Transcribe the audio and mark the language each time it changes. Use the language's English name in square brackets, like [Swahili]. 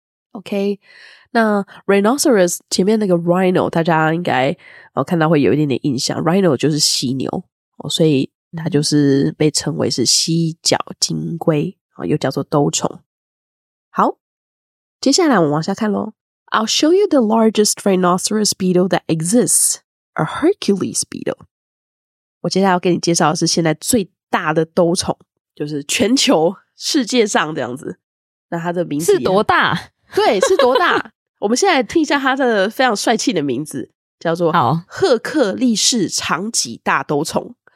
[Chinese] OK，那 rhinoceros 前面那个 rhino 大家应该看到会有一点点印象， rhino 就是犀牛。所以它就是被称为是犀角金龟，又叫做兜虫。好，接下来我们往下看咯。 [English] I'll show you the largest rhinoceros beetle that exists, a Hercules beetle。 [Chinese] 我接下来要给你介绍的是现在最大的兜虫，就是全球世界上这样子。那它的名字是多大？对，是多大。我们现在听一下它的非常帅气的名字，叫做赫克利士长戟大兜虫。